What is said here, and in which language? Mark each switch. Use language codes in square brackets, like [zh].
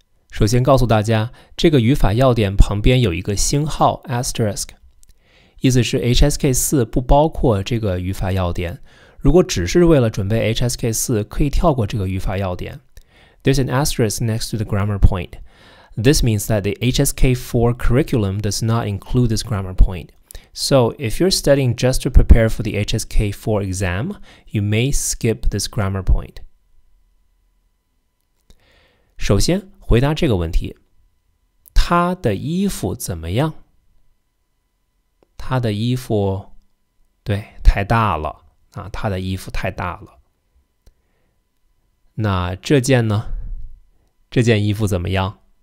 [zh] 首先告诉大家，这个语法要点旁边有一个星号 asterisk， 意思是 HSK4 不包括这个语法要点。如果只是为了准备 HSK4， 可以跳过这个语法要点。 [en] There's an asterisk next to the grammar point. This means that the HSK4 curriculum does not include this grammar point. So if you're studying just to prepare for the HSK4 exam, you may skip this grammar point. [zh] 首先回答这个问题，他的衣服怎么样？他的衣服，对，太大了啊，他的衣服太大了。那这件呢？这件衣服怎么样？